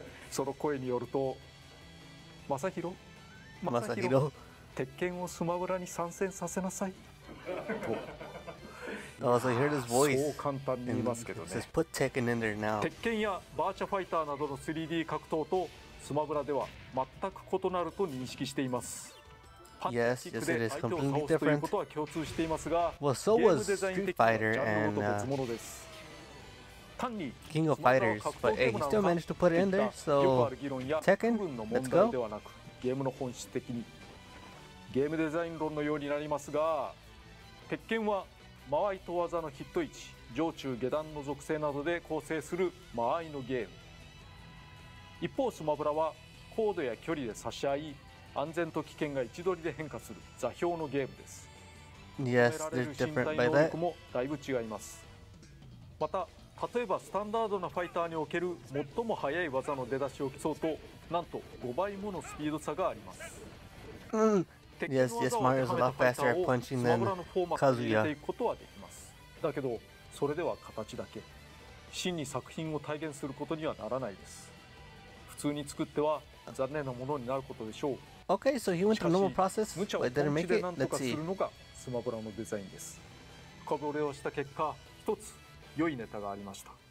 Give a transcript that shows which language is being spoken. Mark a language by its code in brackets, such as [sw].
[ja] その声によると、マサヒロ、鉄拳をスマブラに参戦させなさい。と。 [en] So hear this voice. [ja] そう簡単に言いますけどね。 [en] Just put Tekken in there now. [ja] 鉄拳やバーチャファイターなどの 3D 格闘とスマブラでは全く異なると認識しています。 [en] Yes, yes, it is completely different. Well, so was Street Fighter and King of Fighters, but hey, he still managed to put it in there. So, Tekken, let's go. [ja] ゲームの本質的にゲームデザイン論のようになりますが、鉄拳は間合いと技のヒット位置、上中下段の属性などで構成する間合いのゲーム。一方、スマブラは高度や距離で差し合い、安全と危険が位置取りで変化する座標のゲームです。 [en] Yes, they're different by that. [ja] 身体能力もだいぶ違います。また、例えばスタンダードなファイターにおける最も速い技の出だしを競うと、なんと5倍ものスピード差があります。 [en] Yes, yes, Mario's a lot faster at punching than Kazuya. [ja] ことはできます。だけど、それでは形だけ。真に作品を体現することにはならないです。普通に作っては、残念なものになることでしょう。 [en] Okay, so he went through normal process, but didn't make it. Let's see. [ja] するのがスマブラのデザインです。深掘りをした結果、一つ良いネタがありました。